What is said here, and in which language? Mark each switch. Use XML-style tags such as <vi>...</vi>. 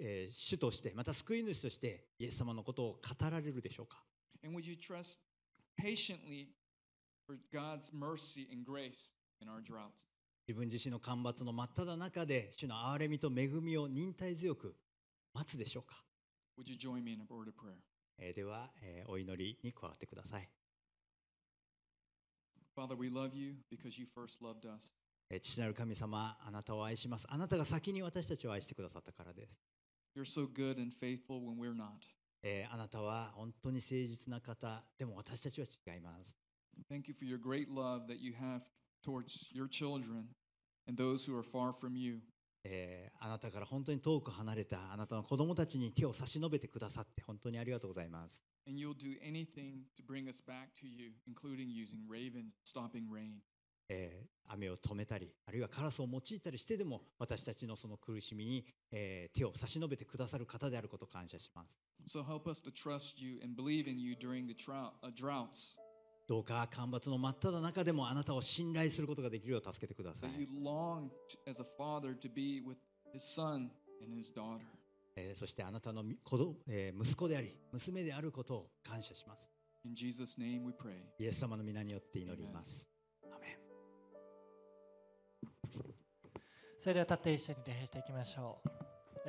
<ja>主としてまた救い主としてイエス様のことを語られるでしょうか。</ja> <en>And would you trust patiently for God's mercy and grace in our droughts?</en> <ja>自分自身の干ばつの真っ只中で主の憐れみと恵みを忍耐強く待つでしょうか。</ja> <en>Would you join me in a word of prayer?</en> <ja>では、お祈りに加わってください。</ja> <en>Father, we love you because you first loved us.</en> <ja>父なる神様、あなたを愛します。あなたが先に私たちを愛してくださったからです。</ja> <en>You're so good and faithful when we're not.</en> <ja>あなたは本当に誠実な方、でも私たちは違います。</ja> <en>Thank you for your great love that you have towards your children and those who are far from you.</en> <ja>あなたから本当に遠く離れたあなたの子供たちに手を差し伸べてくださって本当にありがとうございます。</ja> <en>And you'll do anything to bring us back to you, including using ravens stopping rain.</en> <ja>雨を止めたりあるいはカラスを用いたりしてでも私たちのその苦しみに、手を差し伸べてくださる方であることを感謝します。</ja> <en>So help us to trust you and believe in you during the droughts.</en> <ja>どうか干ばつの真っただ中でもあなたを信頼することができるよう助けてください。</ja> <en>That you long as a father to be with his son and his daughter.</en> <ja>そしてあなたの息子であり娘であることを感謝します。</ja> <en>In Jesus' name we pray.</en> <ja>イエス様の御名によって祈ります。それでは立って一緒に礼拝していきましょう。</ja>